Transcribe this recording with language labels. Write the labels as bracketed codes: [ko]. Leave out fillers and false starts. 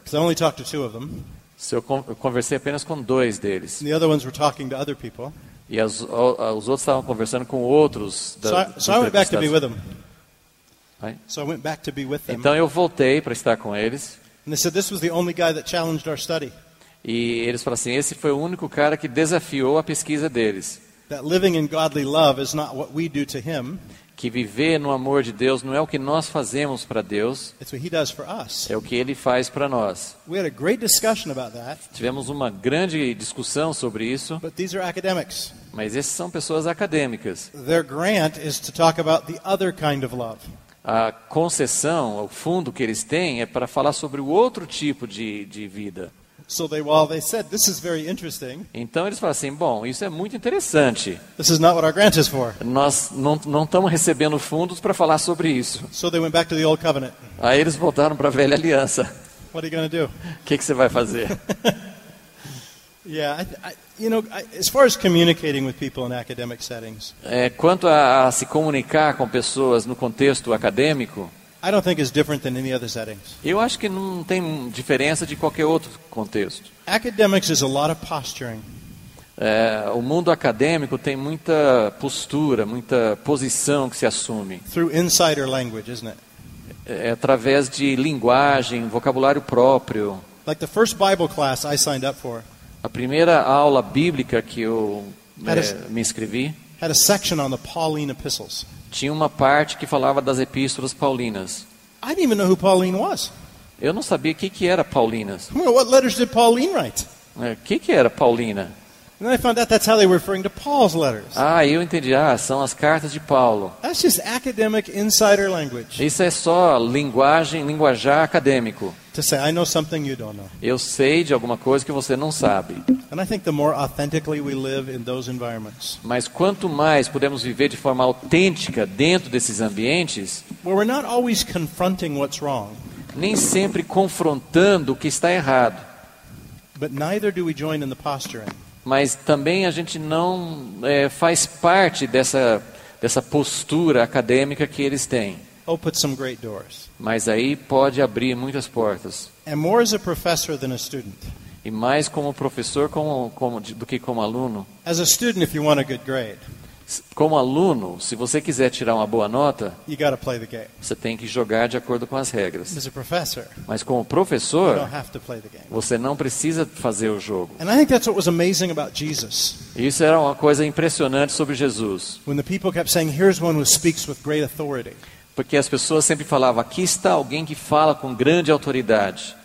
[en] So I only talked to 2 of them. [pt] So eu conversei apenas com 2 deles. [en] And the other ones were talking to other people. [pt] E os outros estavam conversando com outros. [en] So I went back to be with them. [pt] Então eu voltei para estar com eles. [en] And they said this was the only guy that challenged our study. [pt] E eles falaram assim, esse foi o único cara que desafiou a pesquisa deles. [en] That living in godly love is not what we do to him. [pt] Que viver no amor de Deus não é o que nós fazemos para Deus. [en] It's what he does for us. [pt] É o que ele faz para nós. [en] We had a great discussion about that. [pt] Tivemos uma grande discussão sobre isso. [en] But these are academics. [pt] Mas esses são pessoas acadêmicas. [en] Their grant is to talk about the other kind of love. [pt] A concessão, o fundo que eles têm é para falar sobre o outro tipo de vida. [en] So they said, this is very interesting. [pt] Então eles falaram assim, bom, isso é muito interessante. [en] This is not what our grant is for. [pt] Nós não estamos recebendo fundos para falar sobre isso. [en] So they went back to the old covenant. [pt] Aí eles voltaram para a velha aliança. [en] What are you gonna do? [pt] Que você vai fazer? [en] Yeah, as far as communicating with people in academic settings. [pt] Quanto a se comunicar com pessoas no contexto acadêmico. [en] I don't think it's different than any other settings. [pt] Eu acho que não tem diferença de qualquer outro contexto. [en] Academics is a lot of posturing. [pt] O mundo acadêmico tem muita postura, muita posição que se assume. [en] Through insider language, isn't it? [pt] Através de linguagem, vocabulário próprio. [en] Like the first Bible class I signed up for. [pt] A primeira aula bíblica que eu me inscrevi. [en] Had a section on the Pauline epistles. [pt] Tinha uma parte que falava das epístolas paulinas. [en] I didn't even know who Pauline was. [pt] Eu não sabia o que era Paulinas. [en] Well, what letters did Pauline write? [pt] Que era Paulina? [en] And I found out that's how they were referring to Paul's letters. [pt] Ah, eu entendi. Ah, são as cartas de Paulo. [en] That's just academic insider language. [pt] Isso é só linguajar acadêmico. [en] To say, I know something you don't know. [pt] Eu sei de alguma coisa que você não sabe. [en] And I think the more authentically we live in those environments. [pt] Mas quanto mais podemos viver de forma autêntica dentro desses ambientes, [en] well, we're not always confronting what's wrong. [pt] Nem sempre confrontando o que está errado. [en] But neither do we join in the posturing. [pt] Mas também a gente não faz parte dessa postura acadêmica que eles têm. [en] Open some great doors. [pt] Mas aí pode abrir muitas portas. [en] And more as a professor than a student. [pt] E mais como professor do que como aluno. [en] As a student, if you want a good grade, [pt] como aluno, se você quiser tirar uma boa nota, [en] you gotta play the game. [pt] Você tem que jogar de acordo com as regras. [en] As a professor, [pt] mas como professor, [en] you don't have to play the game. [pt] Você não precisa fazer o jogo. [en] And I think that's what was amazing about Jesus. [pt] Isso era uma coisa impressionante sobre Jesus. [en] When the people kept saying, "Here's one who speaks with great authority." [pt] Porque as pessoas sempre falavam, aqui está alguém que fala com grande autoridade.